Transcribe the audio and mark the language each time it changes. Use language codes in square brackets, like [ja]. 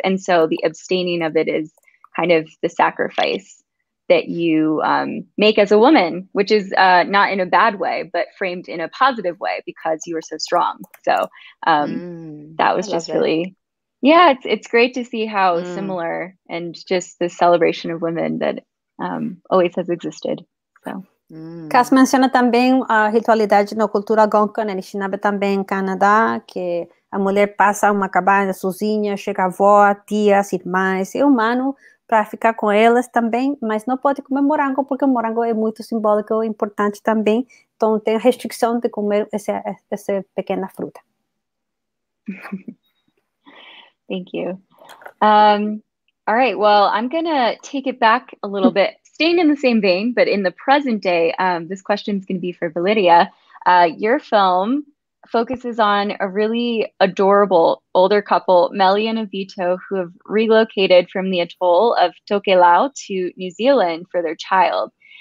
[en] And so the abstaining of it is kind of the sacrifice that you make as a woman, which is not in a bad way, but framed in a positive way because you were so strong. So that was just really, it's great to see how similar and just the celebration of women that always has existed, so. [pt] Cass menciona também a ritualidade na cultura Algonquin, Anishinaabe também em Canadá, que a mulher passa uma cabana sozinha, chega a avó, tias, irmãs, é humano para ficar com elas também, mas não pode comer morango, porque o morango é muito simbólico e importante também, então tem restrição de comer essa pequena fruta. [en] Thank you. All right, well, I'm gonna take it back a little bit, staying in the same vein, but in the present day, this question is gonna be for Valeriya. Your film focuses on a really adorable older couple, Meli and Avito, who have relocated from the atoll of Tokelau to New Zealand for their child.